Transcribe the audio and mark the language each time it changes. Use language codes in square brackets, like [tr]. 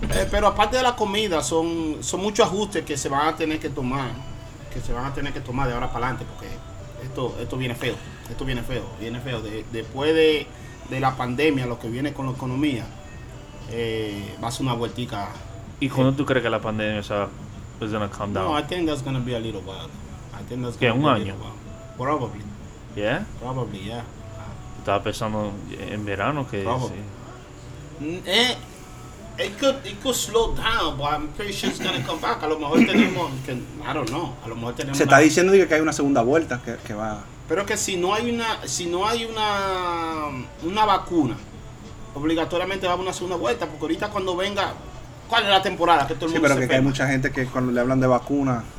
[es] pero aparte de la comida, son muchos ajustes que se van a tener que tomar. Que se van a tener que tomar de ahora para adelante. Porque esto viene feo. Esto viene feo. Viene feo. Después de la pandemia, lo que viene con la economía, va a ser una vueltica. ¿Y cuándo tú crees que la pandemia se va a [en] is going to come down? No, I think that's going to be a little while. I think that's going to be a little while. Probably. Yeah? Probably, yeah. [es] Estaba pensando en verano que sí. [en] It could slow down, but I'm pretty sure it's gonna come back. [es] A lo mejor tenemos que, [en] I don't know. [es] A lo mejor tenemos. Se está diciendo que hay una segunda vuelta que va. Pero que si no hay una vacuna, obligatoriamente va a haber una segunda vuelta, porque ahorita cuando venga, ¿cuál es la temporada que todo el mundo? Sí, pero que hay mucha gente que cuando le hablan de vacuna.